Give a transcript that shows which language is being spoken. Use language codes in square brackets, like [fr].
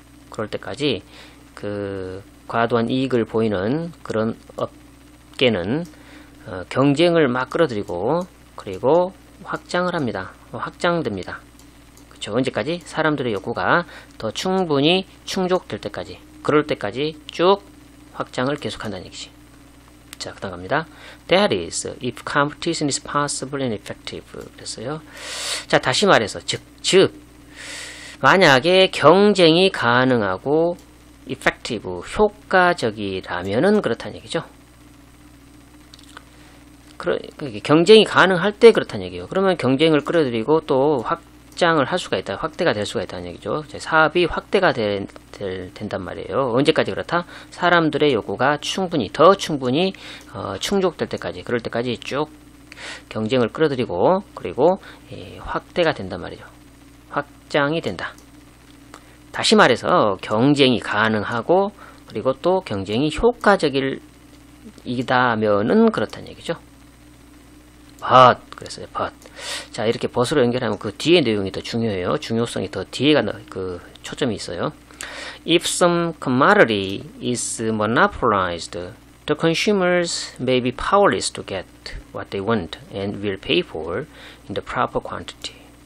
[ko] 그럴 때까지 그 과도한 이익을 보이는 그런 업계는 경쟁을 막 끌어들이고 그리고 확장을 합니다. 확장됩니다. 그렇죠? 언제까지? 사람들의 욕구가 더 충분히 충족될 때까지 그럴 때까지 쭉 확장을 계속한다는 얘기지. 자, 그 다음 갑니다. [en] That is, if competition is possible and effective. [ko] 그랬어요. 자, 다시 말해서 즉 만약에 경쟁이 가능하고 effective, 효과적이라면은 그렇다는 얘기죠. 경쟁이 가능할 때 그렇다는 얘기예요. 그러면 경쟁을 끌어들이고 또 확장을 할 수가 있다. 확대가 될 수가 있다는 얘기죠. 사업이 확대가 된단 말이에요. 언제까지 그렇다? 사람들의 요구가 충분히, 더 충분히 충족될 때까지, 그럴 때까지 쭉 경쟁을 끌어들이고 그리고 확대가 된단 말이죠. 확장이 된다. 다시 말해서 경쟁이 가능하고 그리고 또 경쟁이 효과적이다면은 그렇다는 얘기죠. but 그랬어요. but 자 이렇게 but으로 연결하면 그 뒤에 내용이 더 중요해요. 중요성이 더 뒤에가 그 초점이 있어요. [en] If some commodity is monopolized, the consumers may be powerless to get what they want and will pay for in the proper quantity.